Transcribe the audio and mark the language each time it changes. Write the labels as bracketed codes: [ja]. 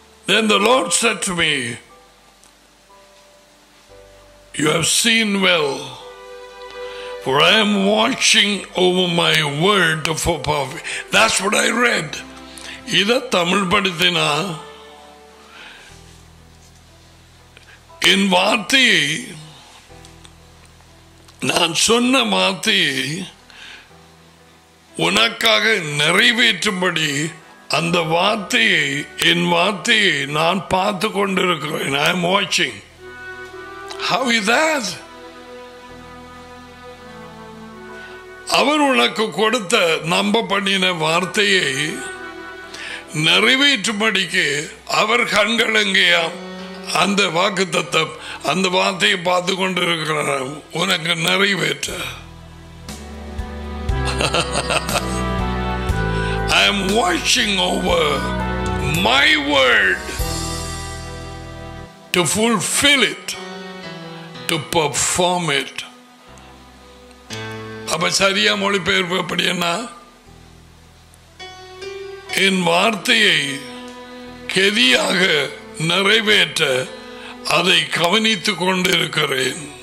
[en] Then the Lord said to me, You have seen well, for I am watching over my word for prophecy. That's what I read. [ta] Idha Tamil padithina in vaarthi நான் சொன்ன வார்த்தையை உனக்காக நிறைவேற்றும்படி அந்த வார்த்தையை என் வார்த்தையை நான் பார்த்து கொண்டிருக்கிறேன். [en] I am வாட்சிங். How is that? [ta] அவர் உனக்கு கொடுத்த நம்ப பண்ணின வார்த்தையை நிறைவேற்றும்படிக்கு அவர் கண்கள் எங்கேயாம் அந்த வாக்கு தத்தம் அந்த வார்த்தையை பார்த்து கொண்டிருக்கிற உனக்கு நிறைவேற்ற. [en] I am watching over my word to fulfill it, to perform it. [ta] அப்ப சரியா மொழிபெயர்ப்பு எப்படி என்ன? என் வார்த்தையை கெதியாக நிறைவேற்ற அதை கவனித்துக் கொண்டிருக்கிறேன்.